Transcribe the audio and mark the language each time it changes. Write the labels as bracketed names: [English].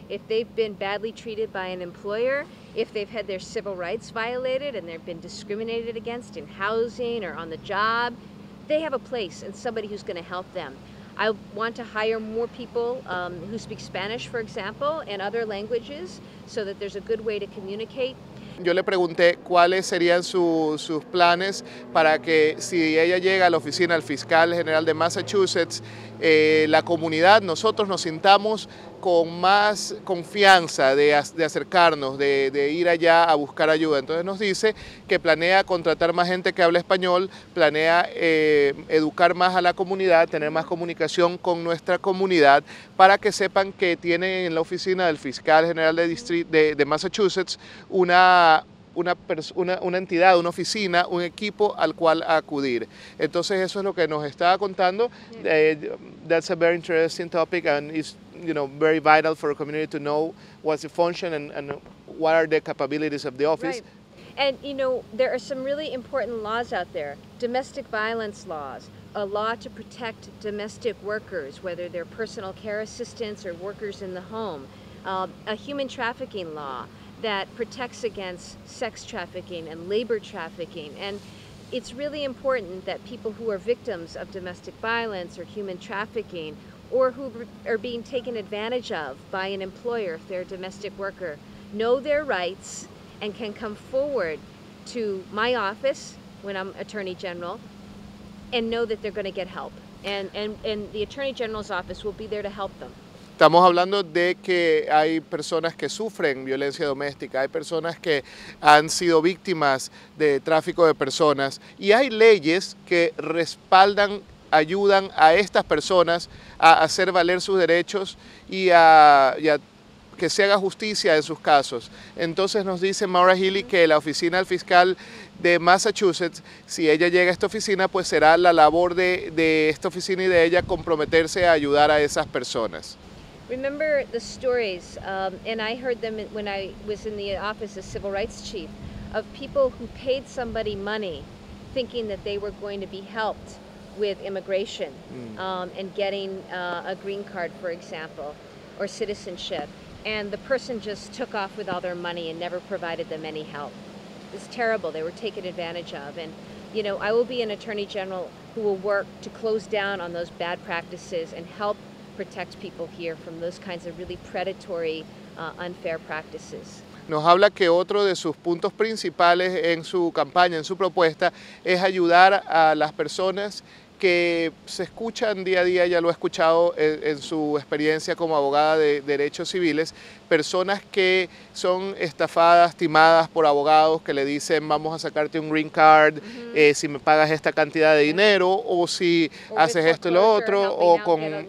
[English] If they've been badly treated by an employer, if they've had their civil rights violated and they've been discriminated against in housing or on the job, they have a place and somebody who's going to help them. I want to hire more people who speak Spanish, for example, and other languages so that there's a good way to communicate. [Spanish] Yo le pregunté cuáles serían sus planes para que si ella llega a la oficina del fiscal general de Massachusetts, la comunidad, nosotros nos sintamos con más confianza de acercarnos, de ir allá a buscar ayuda. Entonces nos dice que planea contratar más gente que hable español, planea educar más a la comunidad, tener más comunicación con nuestra comunidad para que sepan que tiene en la oficina del fiscal general de distrito de Massachusetts una entidad, una oficina, un equipo al cual acudir. Entonces eso es lo que nos estaba contando. [English] That's a very interesting topic and it's, you know, very vital for a community to know what's the function and what are the capabilities of the office. Right. And, you know, there are some really important laws out there. Domestic violence laws, a law to protect domestic workers, whether they're personal care assistants or workers in the home. A human trafficking law. that protects against sex trafficking and labor trafficking. And it's really important that people who are victims of domestic violence or human trafficking, or who are being taken advantage of by an employer if they're a domestic worker, know their rights and can come forward to my office when I'm Attorney General and know that they're going to get help. And the Attorney General's office will be there to help them. [Spanish] Estamos hablando de que hay personas que sufren violencia doméstica, hay personas que han sido víctimas de tráfico de personas y hay leyes que respaldan, ayudan a estas personas a hacer valer sus derechos y a que se haga justicia en sus casos. Entonces nos dice MauraHealey que la oficina del fiscal de Massachusetts, si ella llega a esta oficina, pues será la labor de esta oficina y de ella comprometerse a ayudar a esas personas. [English] Remember the stories, and I heard them when I was in the office as civil rights chief, of people who paid somebody money thinking that they were going to be helped with immigration and getting a green card, for example, or citizenship, and the person just took off with all their money and never provided them any help. It's terrible. They were taken advantage of. And, you know, I will be an attorney general who will work to close down on those bad practices and help protect people here from those kinds of really predatory, unfair practices. [Spanish] Nos habla que otro de sus puntos principales en su campaña, en su propuesta, es ayudar a las personas que se escuchan día a día, ya lo he escuchado en su experiencia como abogada de derechos civiles, personas que son estafadas, timadas por abogados que le dicen vamos a sacarte un green card si me pagas esta cantidad de dinero o si haces esto y lo otro o con